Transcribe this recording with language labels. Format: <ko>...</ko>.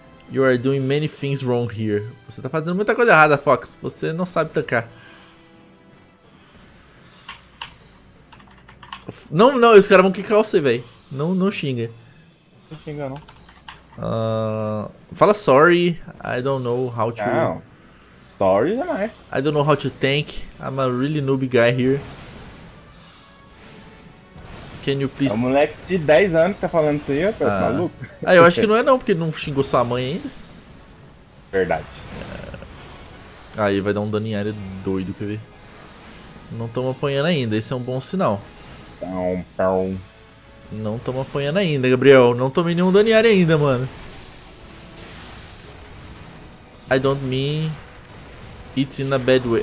<en>You are doing many things wrong here.</en> <pt>Você tá fazendo muita coisa errada, Fox. Você não sabe tancar. Não, não, os caras vão quicar você, velho. Não, não xinga. Não xinga, não. Fala</pt> <en>sorry. I don't know how to...</en> <pt>Não. Sorry jamais.</pt> <en>I don't know how to tank. I'm a really noob guy here. Can you please...</en> <pt>É um moleque de 10 anos que tá falando isso aí, rapaz, maluco. Ah, eu acho que não é não, porque não xingou sua mãe ainda. Verdade. Aí vai dar um dano em área doido, quer ver? Não tamo apanhando ainda, esse é um bom sinal. Pão, pão. Não tamo apanhando ainda, Gabriel. Não tomei nenhum dano em área ainda, mano.</pt> <en>I don't mean it in a bad way.</en>